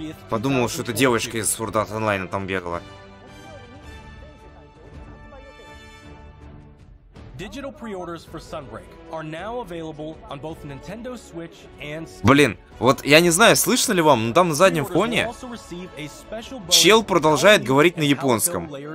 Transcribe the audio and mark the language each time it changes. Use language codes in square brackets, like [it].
[ru] Подумал, что это девочка из Sword Art Online там бегала. [en] Digital pre-orders for Sunbreak are now available on both Nintendo Switch and Steam. [ru] Блин, вот я не знаю, слышно ли вам, но там на заднем фоне чел продолжает говорить на японском.